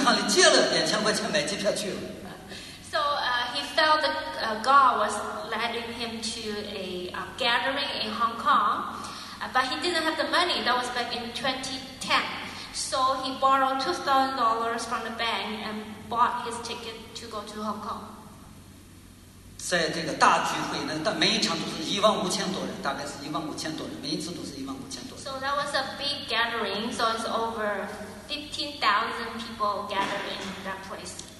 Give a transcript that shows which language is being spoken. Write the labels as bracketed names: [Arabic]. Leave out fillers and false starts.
[Chinese] 前几年，像这个香港第一次大聚会的时候，在2010年呢，他就祷告说神要他去，他没钱，他就借钱去了，在银行里借了2000块钱买机票去了。So [English] he felt that God was leading him to a gathering in Hong Kong, but he didn't have the money. That was back in 2010. So he borrowed $2,000 from the bank and bought his ticket to go to Hong Kong. [Chinese] 在这个大聚会呢，但每一场都是15,000多人，大概是15,000多人，每一次都是15,000多人。So [English] that was a big gathering. So it's over 15,000 people gathered in that place.